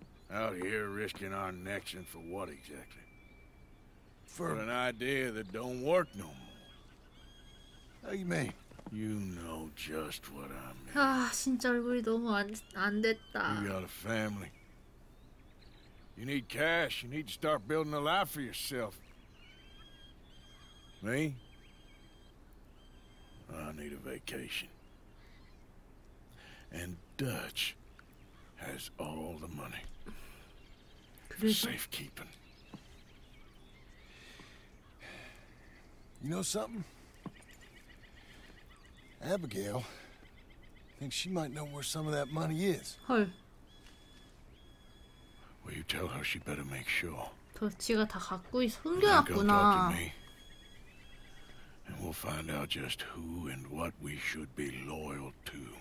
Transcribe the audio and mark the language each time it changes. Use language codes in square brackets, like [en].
[en] Out here risking our necks and for what exactly? For an idea that don't work no more. How you mean? You know just what I mean. [ko] 아, 진짜 얼굴이 너무 안 됐다. [en] You got a family. You need cash. You need to start building a life for yourself. Me? I need a vacation. And Dutch has all the money. Safekeeping. You know something? Abigail thinks she might know where some of that money is. [ko] 헐. [en] Will you tell her she better make sure? [ko] 도치가 다 갖고 숨겨놨구나. [en] And we'll find out just who and what we should be loyal to.